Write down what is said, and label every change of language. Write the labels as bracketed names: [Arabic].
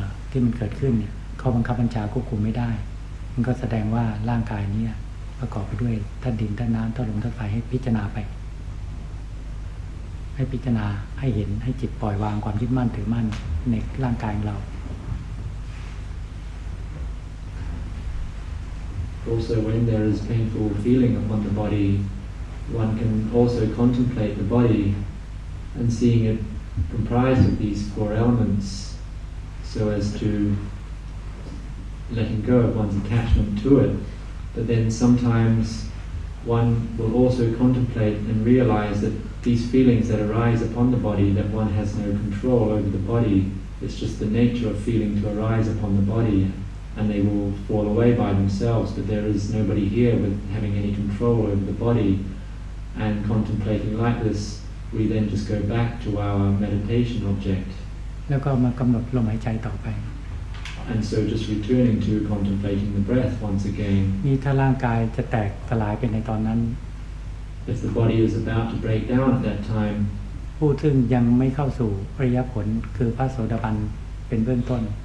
[Thai] ที่มันเกิดขึ้นเนี่ยเขาบังคับบัญชาควบคุมไม่ได้มันก็แสดงว่าร่างกายนี้ประกอบไปด้วยธาตุดินธาตุน้ำธาตุลมธาตุไฟให้พิจารณาไปให้พิจารณาให้เห็นให้จิตปล่อยวางความยึดมั่นถือมั่นในร่างกายของเรา [English] Also when there is painful feeling upon the body one can also contemplate the body and seeing it comprised of these four elements so as toLetting go of one's attachment to it, but then sometimes one will also contemplate and realize that these feelings that arise upon the body, that one has no control over the body. It's just the nature of feeling to arise upon the body, and they will fall away by themselves. But there is nobody here with having any control over the body. And contemplating like this, we then just go back to our meditation object. [Thai] แล้วก็มากำหนดลมหายใจต่อไป [English] And so just returning to contemplating the breath once again. [Thai] นี่ถ้าร่างกายจะแตกสลายไปในตอนนั้น [English] If the body is about to break down at that time. [Thai] ผู้ซึ่งยังไม่เข้าสู่อริยผลคือพระโสดาบันเป็นเบื้องต้น